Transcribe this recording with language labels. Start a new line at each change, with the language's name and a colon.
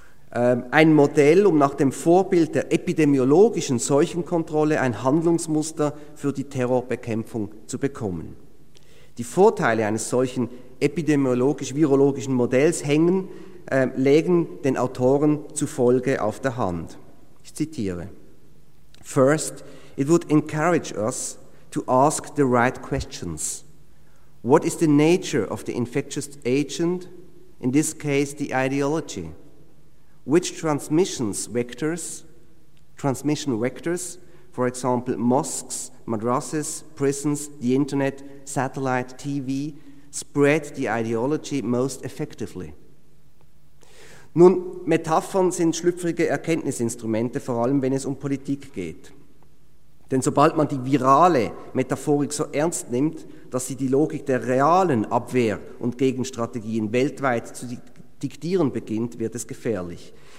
German: Ein Modell, um nach dem Vorbild der epidemiologischen Seuchenkontrolle ein Handlungsmuster für die Terrorbekämpfung zu bekommen. Die Vorteile eines solchen epidemiologisch-virologischen Modells legen den Autoren zufolge auf der Hand. Ich zitiere.
English: First, it would encourage us to ask the right questions. What is the nature of the infectious agent? In this case, the ideology. Which transmission vectors, for example, mosques, madrasas, prisons, the internet, satellite, TV, spread the ideology most effectively.
German: Nun, Metaphern sind schlüpfrige Erkenntnisinstrumente, vor allem wenn es um Politik geht. Denn sobald man die virale Metaphorik so ernst nimmt, dass sie die Logik der realen Abwehr- und Gegenstrategien weltweit zu diktieren beginnt, wird es gefährlich.